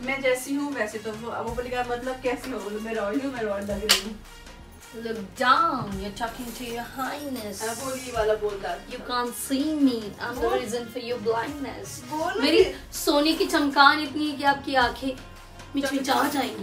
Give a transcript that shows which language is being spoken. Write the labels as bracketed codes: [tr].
[hi] मैं जैसी हूँ वैसे तो वो बोले क्या मतलब कैसी हो. बोलो मैं रॉयल हूँ, मैं रॉयल लग रही हूँ. [en] Look down, you're talking to your highness. You can't see me. I'm the reason for your blindness. [hi] मेरी सोने की चमकान इतनी है कि आपकी आंखें मिचमिचा जाएंगी.